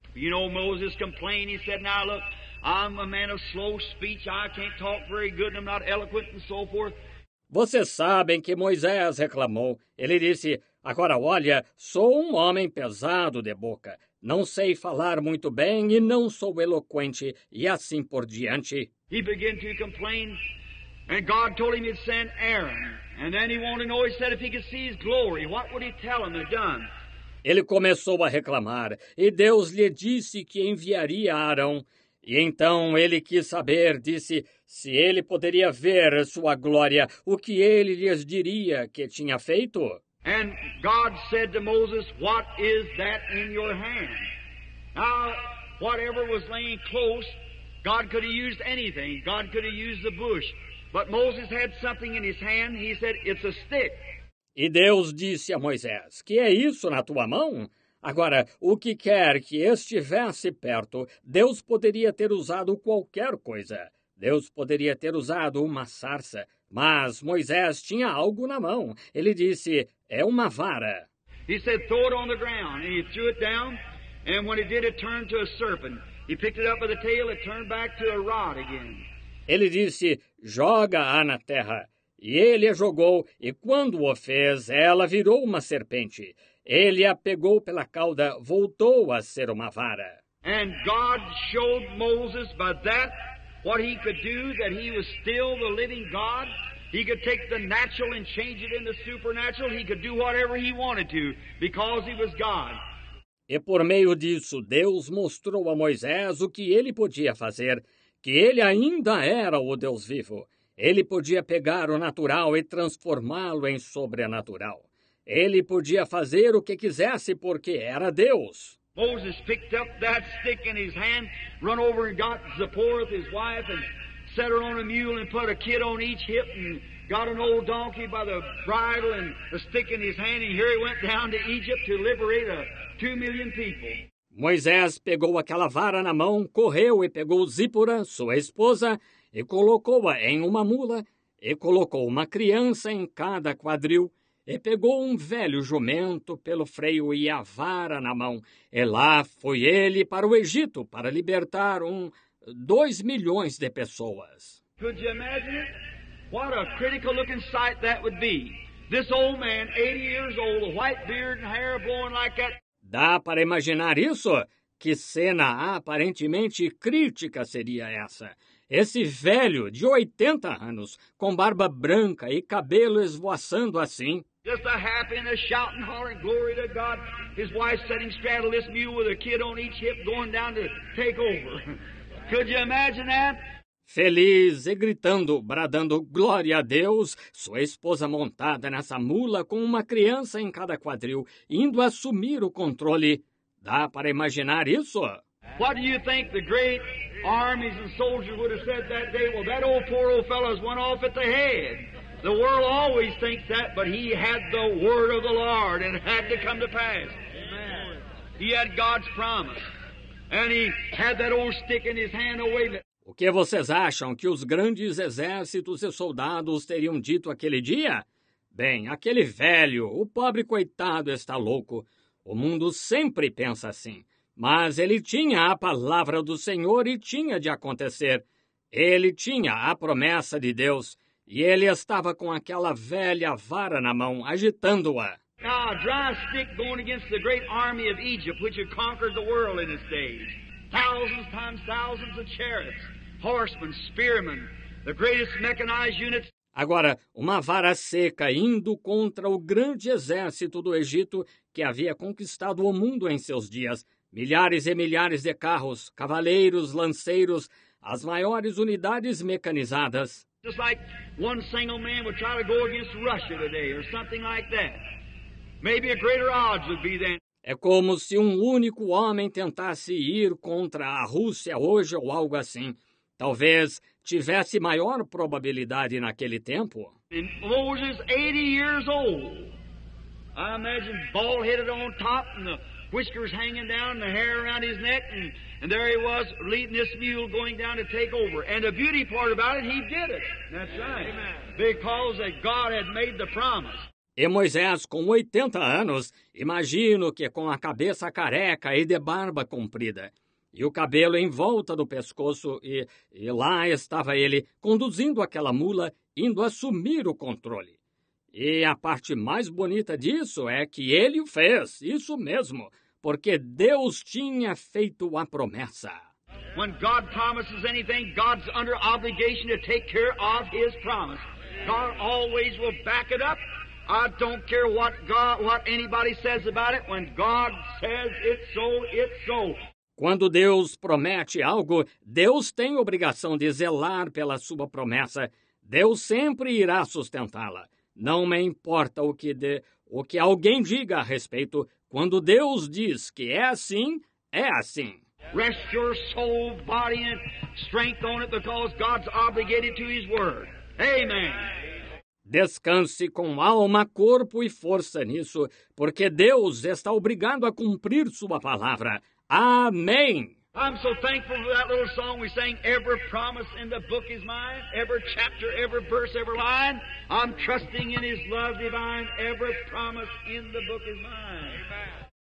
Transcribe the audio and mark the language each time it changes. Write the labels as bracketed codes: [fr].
[en] You know, Moses complained, he said, now look, I'm a man of slow speech, I can't talk very good, I'm not eloquent and so forth. [pt] Vocês sabem que Moisés reclamou, ele disse, agora olha, sou um homem pesado de boca, não sei falar muito bem e não sou eloquente, e assim por diante. [en] He began to complain, and God told him he'd send Aaron. And then he wanted to know, he said, if he could see his glory, what would he tell him they'd done? [pt] Ele começou a reclamar, e Deus lhe disse que enviaria Arão. E então ele quis saber, disse, se ele poderia ver sua glória, o que ele lhes diria que tinha feito? [en] And God said to Moses, what is that in your hand? Now, whatever was laying close, God could have used anything. God could have used the bush. But Moses had something in his hand. He said, it's a stick. [pt] E Deus disse a Moisés, que é isso na tua mão? Agora, o que quer que estivesse perto, Deus poderia ter usado qualquer coisa. Deus poderia ter usado uma sarça, mas Moisés tinha algo na mão. Ele disse, é uma vara. [en] He said, throw it on the ground. And he threw it down. And when he did, it turned to a serpent. He picked it up by the tail. It turned back to a rod again. [pt] Ele disse, joga-a na terra. E ele a jogou, e quando o fez, ela virou uma serpente. Ele a pegou pela cauda, voltou a ser uma vara. [en] And God showed Moses by that what he could do, that he was still the living God. He could take the natural and change it into supernatural. He could do whatever he wanted to, because he was God. [pt] E por meio disso, Deus mostrou a Moisés o que ele podia fazer, que ele ainda era o Deus vivo. Ele podia pegar o natural e transformá-lo em sobrenatural. Ele podia fazer o que quisesse porque era Deus. [en] Moses picked up that stick in his hand, run over and got Zipporah, his wife, and set her on a mule and put a kid on each hip and got an old donkey by the bridle and the stick in his hand, and here he went down to Egypt to liberate 2 million people. [pt] Moisés pegou aquela vara na mão, correu e pegou Zípora, sua esposa, e colocou-a em uma mula, e colocou uma criança em cada quadril, e pegou um velho jumento pelo freio e a vara na mão. E lá foi ele para o Egito para libertar 2 milhões de pessoas. [en] Could you imagine it? What a critical looking sight that would be. This old man, 80 years old, white beard and hair blowing like that. [pt] Dá para imaginar isso? Que cena aparentemente crítica seria essa? Esse velho de 80 anos, com barba branca e cabelo esvoaçando assim. [en] Just a happy and a shouting, hollering, glory to God. His wife sitting straddle this mule with a kid on each hip going down to take over. Could you imagine that? [pt] Feliz e gritando, bradando glória a Deus, sua esposa montada nessa mula com uma criança em cada quadril, indo assumir o controle. Dá para imaginar isso? [en] What do you think the great armies and soldiers would have said that day? Well, that old poor old fellow's went off at the head. The world always thinks that, but he had the word of the Lord and it had to come to pass. Amen. He had God's promise. And he had that old stick in his hand away. [pt] O que vocês acham que os grandes exércitos e soldados teriam dito aquele dia? Bem, aquele velho, o pobre coitado está louco. O mundo sempre pensa assim. Mas ele tinha a palavra do Senhor e tinha de acontecer. Ele tinha a promessa de Deus. E ele estava com aquela velha vara na mão, agitando-a. [en] Now, a dry stick going against the great army of Egypt, which had conquered the world in its days. Thousands times thousands of chariots. horsemen, spearmen, the greatest mechanized units. [pt] Agora, uma vara seca indo contra o grande exército do Egito que havia conquistado o mundo em seus dias. Milhares e milhares de carros, cavaleiros, lanceiros, as maiores unidades mecanizadas. [en] Just like one single man would try to go against Russia today or something like that. Maybe a greater odds would be then. [pt] É como se um único homem tentasse ir contra a Rússia hoje ou algo assim. Talvez tivesse maior probabilidade naquele tempo. [en] And Moses, 80 years old. I imagine bald-headed on top and the whiskers hanging down and the hair around his neck. And there he was leading this mule going down to take over. And the beauty part about it, he did it. That's right. Amen. Because God had made the promise. [pt] E Moisés, com 80 anos, imagino que com a cabeça careca e de barba comprida, e o cabelo em volta do pescoço, e lá estava ele, conduzindo aquela mula, indo assumir o controle. E a parte mais bonita disso é que ele o fez, isso mesmo, porque Deus tinha feito a promessa. [en] When God promises anything, God's under obligation to take care of his promise. God always will back it up. I don't care what God, what anybody says about it. When God says it's so, it's so. [pt] Quando Deus promete algo, Deus tem obrigação de zelar pela sua promessa. Deus sempre irá sustentá-la. Não me importa o que alguém diga a respeito. Quando Deus diz que é assim, é assim. [en] Rest your soul, body, and strength on it, because God's obligated to His word. Amen. [pt] Descanse com alma, corpo e força nisso, porque Deus está obrigado a cumprir sua palavra. Amém! [en] I'm so thankful for that little song we sang, every promise in the book is mine, every chapter, every verse, every line. I'm trusting in His love divine, every promise in the book is mine.